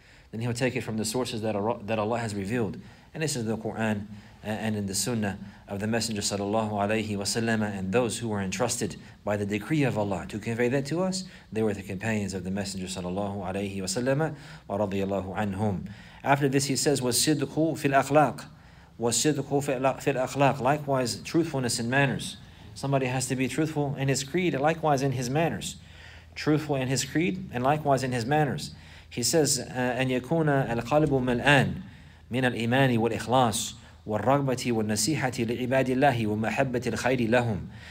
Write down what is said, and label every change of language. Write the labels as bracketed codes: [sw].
[en] Then he will take it from the sources that Allah has revealed. And this is the Quran and in the Sunnah of the Messenger sallallahu alayhi wa sallam, and those who were entrusted by the decree of Allah to convey that to us, they were the companions of the Messenger sallallahu alayhi wa sallam wa radiyallahu anhum. After this he says, [ar] وَالصِّدْقُ فِي الْأَخْلَاقِ وَالصِّدْقُ فِي الْأَخْلَاقِ. [en] Likewise, truthfulness in manners. Somebody has to be truthful in his creed and likewise in his manners. Truthful in his creed and likewise in his manners. He says, [ar] أَنْ يَكُونَ الْقَلْبُ مَلْآنَ مِنَ الْإِيمَانِ وَالْإِخْلَاصِ وَالرَّغْبَةِ وَالنَّسِيحَةِ لِعِبَادِ اللَّهِ وَمَحَبَّةِ الْخَيْرِ لَهُمْ.